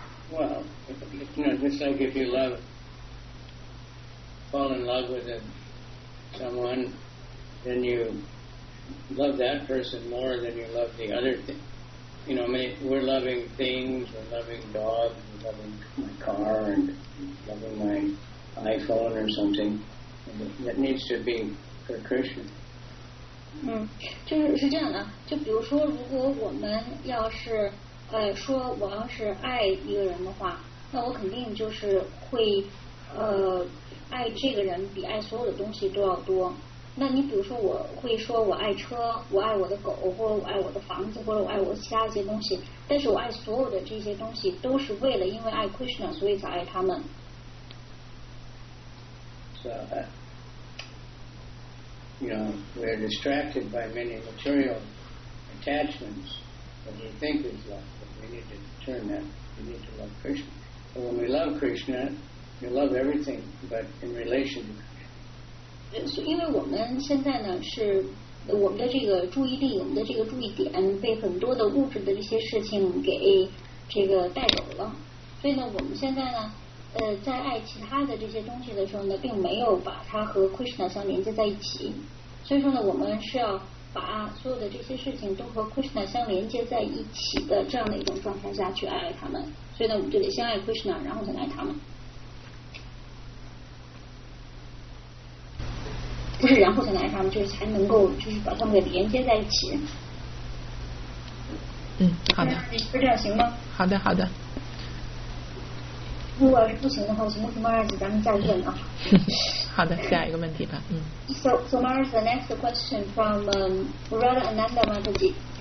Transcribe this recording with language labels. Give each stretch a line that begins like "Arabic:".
English: Well, it's not just like if you fall in love with someone, then you love that person more than you love the other thing. You know, we're loving things, we're loving dogs, we're loving my car, and loving my iPhone or something. That needs to be for Krishna.
Chinese: 是这样的，就比如说如果我们要是说我要是爱一个人的话，那我肯定就是会爱这个人比爱所有的东西都要多。那你比如说我会说我爱车，我爱我的狗，或者我爱我的房子，或者我爱我其他一些东西，但是我爱所有的这些东西都是为了因为爱 Krishna 所以才爱他们。
English: So you know, we're distracted by many material attachments. But we think it's love, but we need to turn that. We need to love Krishna. But when we love Krishna, we love everything, but in relation to Krishna.
Chinese: So, 因为我们现在呢是我们的这个注意力，我们的这个注意点被很多的物质的这些事情给这个带走了。所以呢，我们现在呢，在爱其他的这些东西的时候呢，并没有把它和 Krishna 相连接在一起。所以说呢，我们是要。把所有的这些事情都和 Krishna 相连接在一起的这样的一种状态下去爱他们，所以呢，我们就得先爱 Krishna， 然后再爱他们。不是，然后再爱他们，就是才能够就是把他们给连接在一起。嗯，好的。是这样行吗？好的，好的。如果是不行的话，行不行，马尔子，咱们再见啊。好的，下一个问题吧。
English: So Maharaj, the next question from Radha Ananda Mataji.